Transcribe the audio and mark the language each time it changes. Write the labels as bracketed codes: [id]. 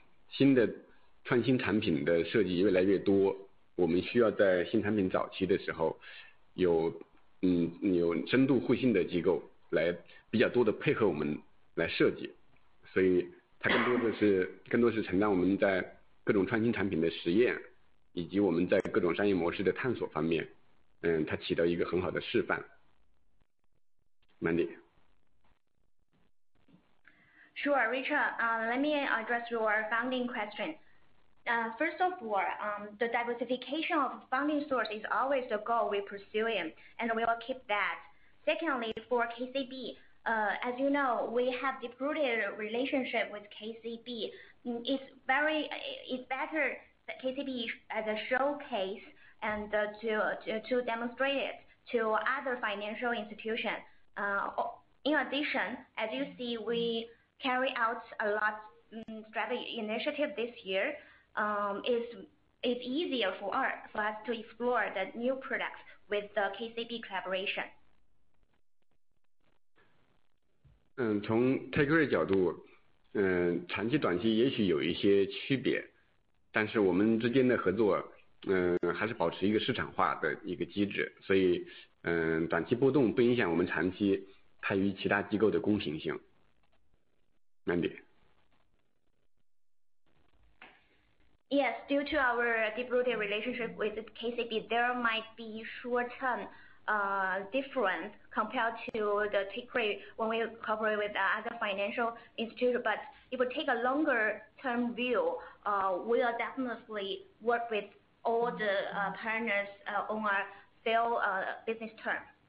[zh] 新的创新产品的设计越来越多，我们需要在新产品早期的时候有深度互信的机构来比较多的配合我们来设计，所以它更多是承担我们在各种创新产品的实验以及我们在各种商业模式的探索方面它起到一个很好的示范。 [en] Mandy. Sure, Richard, let me address your funding question. First of all, the diversification of funding source is always the goal we pursue in, and we will keep that. Secondly, for KCB, as you know, we have deep-rooted relationship with KCB. It's better that KCB as a showcase and to demonstrate it to other financial institutions. In addition, as you see, we carry out a lot strategy initiative this year. It's easier for us to explore the new products with the KCB collaboration. [zh] 从 take rate 角度，长期短期也许有一些区别，但是我们之间的合作还是保持一个市场化的一个机制，所以短期波动不影响我们长期它与其他机构的公平性。 [en] Mandy. Yes, due to our deep-rooted relationship with KCB, there might be short-term difference compared to the take rate when we cooperate with other financial institutions. But if we take a longer-term view, we'll definitely work with all the partners on our sale business term.